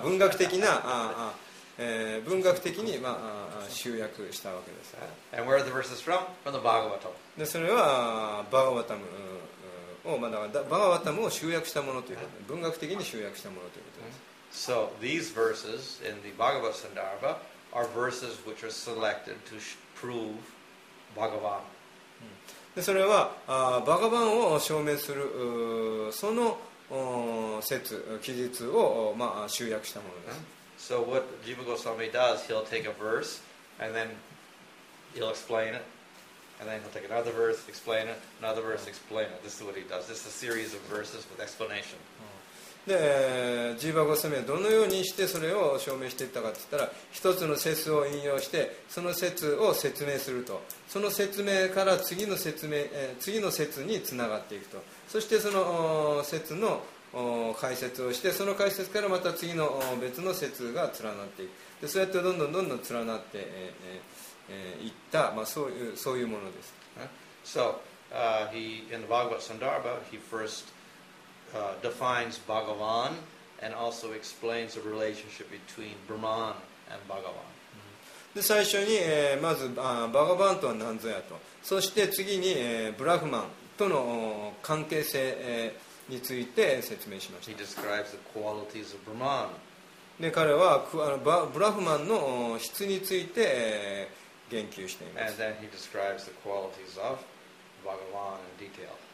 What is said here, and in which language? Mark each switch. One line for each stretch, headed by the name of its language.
Japanese: 文学的な、文学的に、まあ、集約したわけです。
English: And where are the verses from? From the Bhagavatam.
Japanese: で、それはバガバタム。をまあ、だからバガバタムを集約したものということです。文学的に集約したものということです。
English: So these verses in the Bhagavata Sandarbha are verses which are selected to prove Bhagavan.
Japanese: でそれはバガバンを証明するその説、記述を、まあ、集約したものです。
English: So what Jiva Goswami does, he'll take a verse and then he'll explain it. And then he'll take another verse, explain it, another verse, explain it. This is what he does. This is a series of verses with explanation.
Japanese: で、ジーバゴスミはどのようにしてそれを証明していったかって言ったら、一つの説を引用して、その説を説明すると。その説明から次の説明、次の説につながっていくと。そしてその説の解説をして、その解説からまた次の別の説が連なっていく。で、そうやってどんどんどんどん連なって、言った、まあ、そういうものです。
English: So, he, in the Bhagavata Sandarbha, he first, defines Bhagavan and also explains the relationship between Brahman and Bhagavan.
Japanese: で、最初に、まず、バガバンとは何ぞやと。そして次に、ブラフマン。との関係性について説明しました。
English: He describes the qualities of Brahman.
Japanese: で彼はブラフマンの質について言及しています。
English: And then he describes the qualities of Bhagavan in detail.